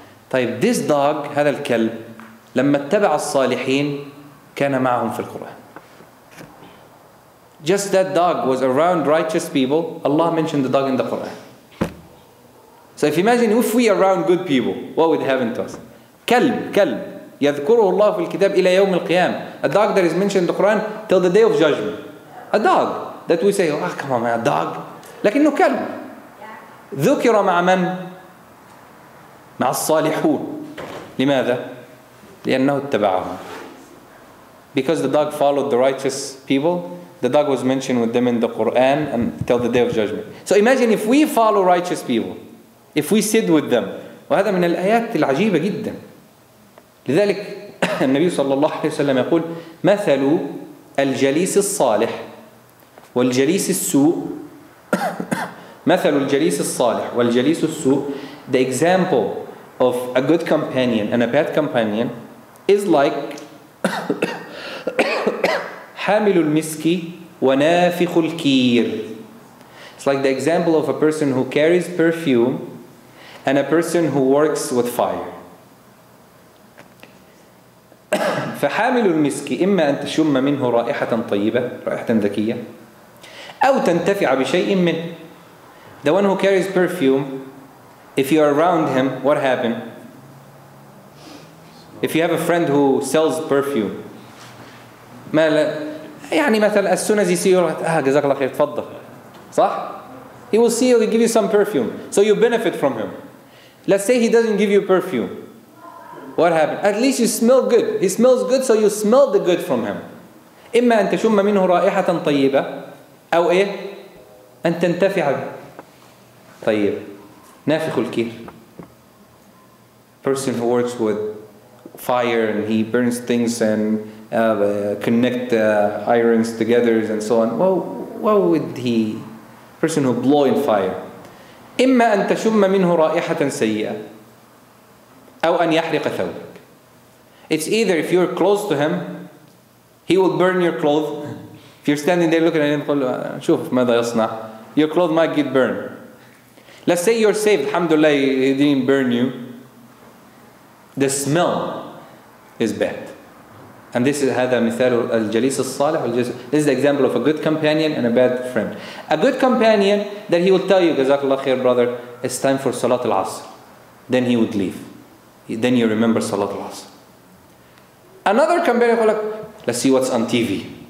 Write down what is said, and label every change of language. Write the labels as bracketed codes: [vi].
[ar] طيب, [en] this dog, [ar] هذا الكلب, لما اتبع الصالحين كان معهم في القرآن. [en] Just that dog was around righteous people. Allah mentioned the dog in the Quran. So if you imagine if we around good people, what would happen to us? [ar] كلب كلب يذكره الله في الكتاب إلى يوم القيامة. [en] A dog that is mentioned in the Quran till the day of judgment. A dog that we say, oh come on man, a dog. [ar] لكنه كلب. ذكر مع من؟ مع الصالحون. لماذا؟ لأنه اتبعهم. [en] Because the dog followed the righteous people, the dog was mentioned with them in the Quran until the day of judgment. So imagine if we follow righteous people, if we sit with them. [ar] وهذا من الآيات العجيبة جدا. لذلك النبي صلى الله عليه وسلم يقول مثل الجليس الصالح والجليس السوء مثل الجليس الصالح والجليس السوء. [en] The example of a good companion and a bad companion is like [ar] حامل المسك ونافخ الكير. [en] It's like the example of a person who carries perfume and a person who works with fire. [ar] فحامل المسك إما أن تشم منه رائحة طيبة رائحة ذكية أو تنتفع بشيء منه. [en] The one who carries perfume, if you are around him, what happened? If you have a friend who sells perfume, [ar] يعني مثلا [en] as soon as you see you, [ar] جزاك الله خير تفضل صح؟ [en] He will see you, he give you some perfume, so you benefit from him. Let's say he doesn't give you perfume, what happened? At least you smell good. He smells good, so you smell the good from him. [ar] إما أن تشم منه رائحة طيبة أو إيه؟ أن تنتفع به. طيب نافخ الكير. [en] Person who works with fire and he burns things and connect irons together and so on. What would he? Person who blow in fire. [ar] إما أن تشم منه رائحة سيئة أو أن يحرق ثوبك. [en] It's either if you're close to him, he will burn your clothes. If you're standing there looking at him, [ar] شوف ماذا يصنع. [en] Your clothes might get burned. Let's say you're saved. Alhamdulillah, he didn't burn you. The smell is bad. And this is [ar] هذا مثال الجليس الصالح. [en] This is the example of a good companion and a bad friend. A good companion that he will tell you, [ar] جزاك الله خير, [en] brother, it's time for Salat al-Asr. Then he would leave. Then you remember Salat al-Asr. Another companion will like, let's see what's on TV.